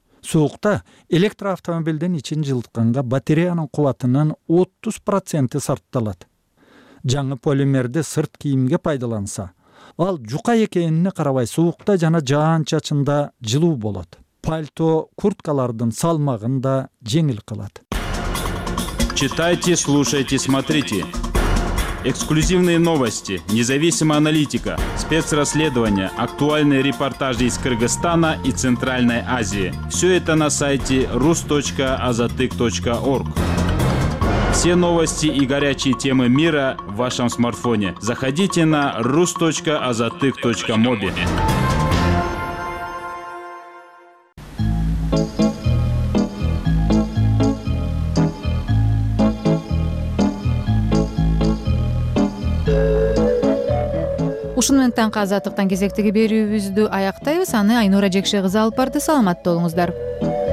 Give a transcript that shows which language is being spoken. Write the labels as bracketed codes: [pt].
[ky] Суукта электроавтомобилдин ичин жылытканга батареянын кубатынын 30% сартталат. Жаңы полимерди сырт кийимге пайдаланса, ал жука экенине карабай суукта жана жаан чачында жылуу болот. Пальто курткалардын салмагын да жеңил кылат. [ru] Читайте, слушайте, смотрите. Эксклюзивные новости, независимая аналитика, спецрасследования, актуальные репортажи из Кыргызстана и Центральной Азии. Все это на сайте rus.azatyk.org. Все новости и горячие темы мира в вашем смартфоне. Заходите на rus.azatyk.mobi. [ky] Ушун менен таңкы азаттыктан кезектеги берүүбүздү аяктайбыз. Аны Айнура Жекшегизи алып барды. Саламатта болуңуздар.